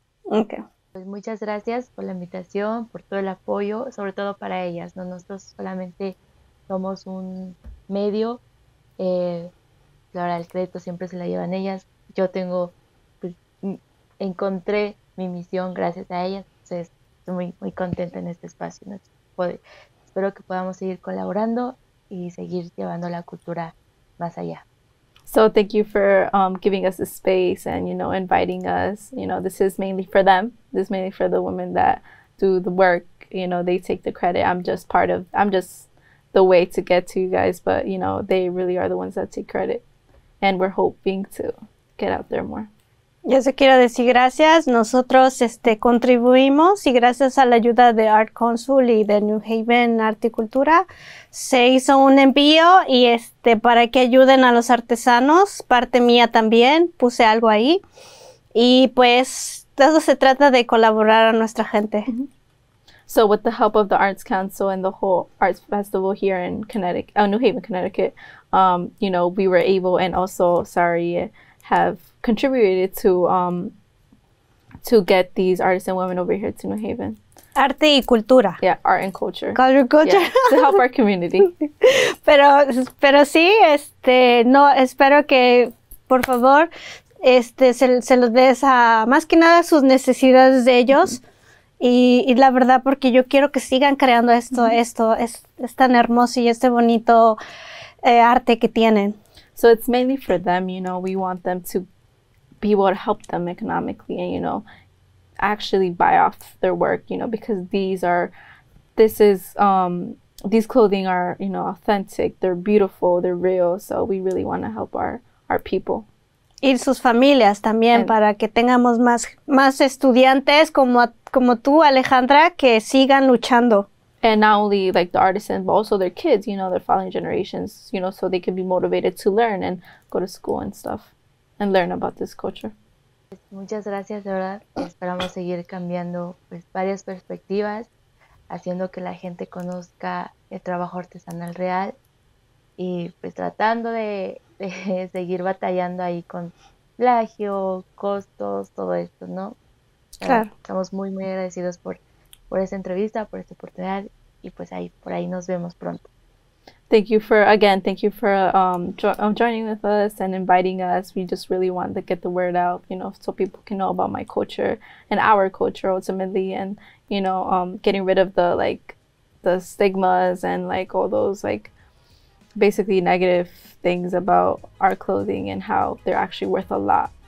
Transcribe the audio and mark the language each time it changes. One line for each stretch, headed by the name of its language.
English: Okay.
Spanish: Pues muchas gracias por la invitación, por todo el apoyo, sobre todo para ellas, ¿no? Nosotros solamente somos un medio. Claro, el crédito siempre se la llevan ellas. Yo tengo, pues, encontré mi misión gracias a ellas. Entonces, estoy muy, muy contenta en este espacio, ¿no? Espero que podamos seguir colaborando y seguir llevando la cultura más allá.
English: So thank you for giving us the space and, you know, inviting us. You know, this is mainly for them. This is mainly for the women that do the work. You know, they take the credit. I'm just the way to get to you guys, but you know, they really are the ones that take credit. And we're hoping to get out there more.
Spanish: Yo se quiero decir gracias. Nosotros contribuimos y gracias a la ayuda de Art Council y de New Haven Arte y Cultura se hizo un envío y para que ayuden a los artesanos, parte mía también, puse algo ahí. Y pues todo se trata de colaborar a nuestra gente.
English: So with the help of the Arts Council and the whole arts festival here in Connecticut, New Haven, Connecticut, we were able, and also sorry, have contributed to get these artists and women over here to New Haven.
Spanish: Arte y cultura.
English: Yeah, art and culture. Culture, culture. Yeah, to help our community.
Spanish: Pero sí, no, espero que, por favor, se los des a más que nada sus necesidades de ellos. Y la verdad, porque yo quiero que sigan creando es tan hermoso y este bonito arte que tienen.
English: So it's mainly for them, you know. We want them to be able to help them economically and, you know, actually buy off their work, you know, because these clothing are, you know, authentic, they're beautiful, they're real. So we really want to help our people.
Spanish: Y sus familias también
English: And
Spanish: para que tengamos más estudiantes como tú, Alejandra, que sigan luchando.
English: Not only like the artisans, but also their kids, you know, their following generations, you know, so they can be motivated to learn and go to school and stuff and learn about this culture.
Spanish: Muchas gracias, de verdad. Esperamos seguir cambiando, pues, varias perspectivas, haciendo que la gente conozca el trabajo artesanal real y pues tratando de seguir batallando ahí con plagio, costos, todo esto, ¿no? Pero Claro. estamos muy, muy agradecidos por esta entrevista, por esta oportunidad y pues ahí, por ahí nos vemos pronto.
English: Thank you for joining with us and inviting us. We just really want to get the word out, you know, so people can know about my culture and our culture ultimately, and you know, getting rid of the stigmas and like all those like basically negative things about our clothing and how they're actually worth a lot.